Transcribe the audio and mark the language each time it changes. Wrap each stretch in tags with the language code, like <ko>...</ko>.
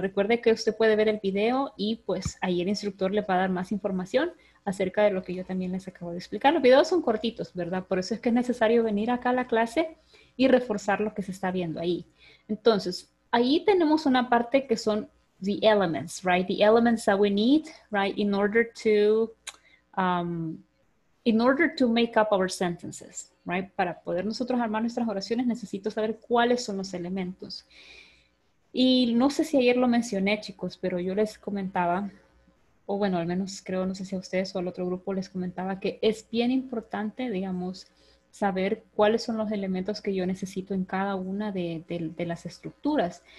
<es>Recuerde que usted puede ver el video y pues ahí el instructor le va a dar más información acerca de lo que yo también les acabo de explicar. Los videos son cortitos, ¿verdad? Por eso es que es necesario venir acá a la clase y reforzar lo que se está viendo ahí. Entonces, ahí tenemos una parte que son</es> <en>the elements, right? The elements that we need, right? In order to make up our sentences, right?</en> <es>Para poder nosotros armar nuestras oraciones, necesito saber cuáles son los elementos. Y no sé si ayer lo mencioné, chicos, pero yo les comentaba, o bueno, al menos creo, no sé si a ustedes o al otro grupo les comentaba, que es bien importante, digamos, saber cuáles son los elementos que yo necesito en cada una de las estructuras.</es>